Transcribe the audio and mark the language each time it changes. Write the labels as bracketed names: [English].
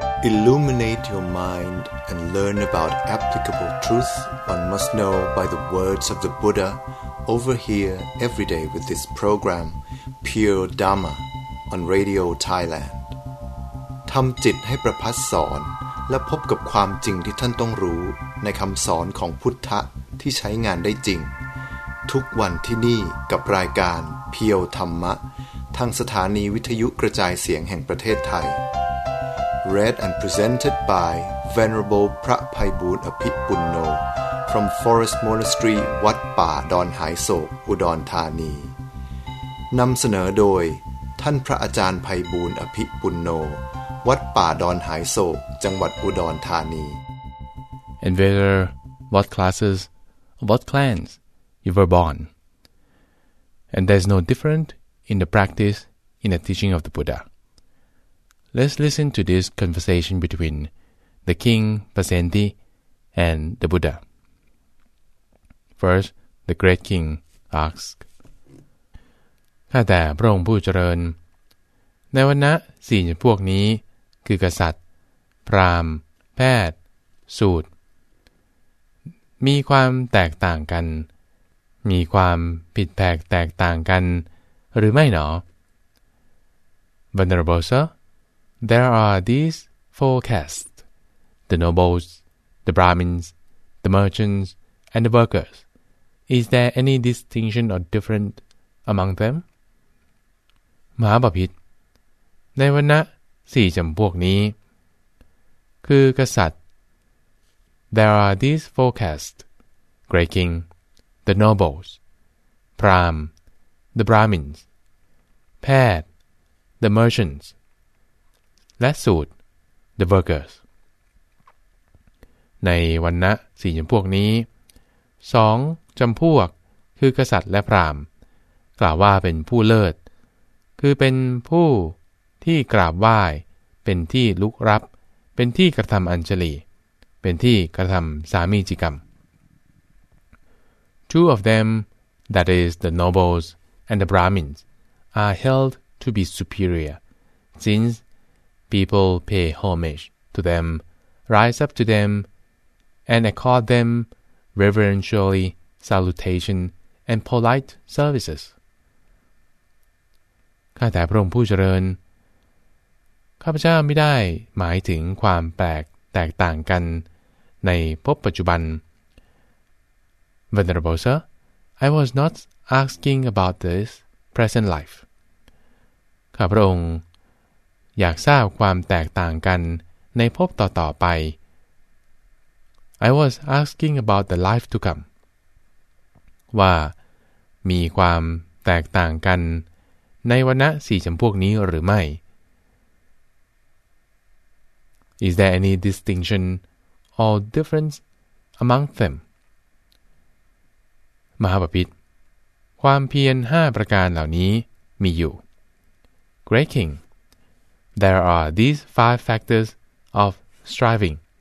[English] Illuminate your mind and learn about applicable truth one must know by the words of the Buddha over here every day with this program, Pure Dharma, on Radio Thailand. [Thai] ทำจิตให้ประพัสสอนและพบกับความจริงที่ท่านต้องรู้ในคำสอนของพุทธะที่ใช้งานได้จริงทุกวันที่นี่กับรายการเพียวธรรมะทางสถานีวิทยุกระจายเสียงแห่งประเทศไทย [English] Read and presented by Venerable [Thai] พระไพบูลย์อภิปุณโญ from Forest Monastery วัดป่าดอนหายโศกอุดรธานีนำเสนอโดยท่านพระอาจารย์ไพบูลย์อภิปุณโญวัดป่าดอนหายโศกจังหวัดอุดรธานี [English] And whether what classes, what clansYou were born. And there's no difference in the practice in the teaching of the Buddha. Let's listen to this conversation between the King Pasenti and the Buddha. First, the great king asks, [Thai] ข้าแต่พระองค์ผู้เจริญในวรรณะสี่พวกนี้คือกษัตริย์พราหมณ์แพทย์สูตรมีความแตกต่างกันมีความผิดแปลกแตกต่างกันหรือไม่หน [English] อ Venerable sir, there are these four castes, the nobles, the Brahmins, the merchants, and the workers. Is there any distinction or difference among them? [Thai] มหาบพิตรในวรรณะสี่จำพวกนี้คือกษัตริย์ [English] There are these four castes, great king. The nobles, Brahm, the Brahmins, Pad, the merchants, และสูตร the workers. [Thai] ในวรรณะสี่จำพวกนี้สองจำพวกคือกษัตริย์และพราหมณ์กล่าวว่าเป็นผู้เลิศคือเป็นผู้ที่กราบไหว้เป็นที่ลุกรับเป็นที่กระทำอัญชลีเป็นที่กระทำสามีจิกรรม [English] Two of them, that is the nobles and the Brahmins, are held to be superior, since people pay homage to them, rise up to them, and accord them reverentially salutation and polite services. [Thai] ข้าแต่พระองค์ผู้เจริญข้าพเจ้าไม่ได้หมายถึงความแปลกแตกต่างกันในภพปัจจุบัน [English] Venerable sir, I was not asking about this present life. [Thai] ข้าพระองค์อยากทราบความแตกต่างกันในภพต่อๆไป [English] I was asking about the life to come. [Thai] ว่ามีความแตกต่างกันในวรรณะสี่จำพวกนี้หรือไม่ [English] Is there any distinction or difference among them? [Thai] มหาบพิตรความเพียร5ประการเหล่านี้มีอยู่ [English] Great King, there are these five factors of striving.